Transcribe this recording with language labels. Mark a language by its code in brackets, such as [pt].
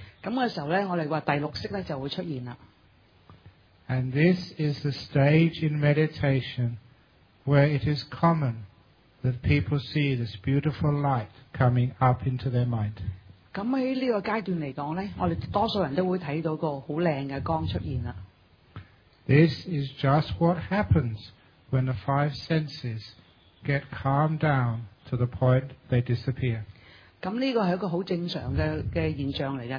[yue] 咁嘅時候咧，我哋話第六識咧就會出現啦。 [en] And this is the stage in meditation where it is common that people see this beautiful light coming up into their mind. [yue] 咁喺呢個階段嚟講咧，我哋多數人都會睇到個好靚嘅光出現啦。 [en] This is just what happens when the five senses get calmed down to the point they disappear. [yue] 咁呢個係一個好正常嘅現象嚟嘅。